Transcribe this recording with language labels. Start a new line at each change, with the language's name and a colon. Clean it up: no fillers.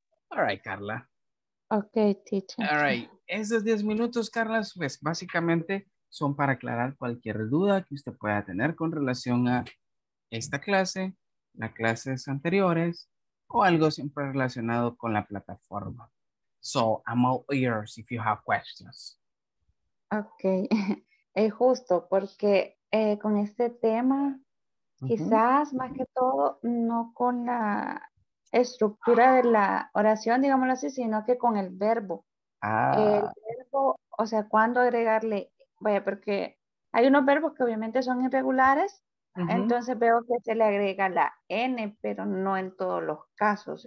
English: All right, Carla. Okay, teacher. All right.
Spanish: Esos 10 minutos, Carla, pues básicamente son para aclarar cualquier duda que usted pueda tener con relación a esta clase, las clases anteriores, o algo siempre relacionado con la plataforma.
English: So, I'm all ears if you have questions. Okay.
Spanish: Es justo porque con este tema, quizás más que todo, no con la estructura de la oración, digámoslo así, sino que con el verbo. Ah. El verbo, o sea, cuándo agregarle, vaya, porque hay unos verbos que obviamente son irregulares, entonces veo que se le agrega la N, pero no en todos los casos.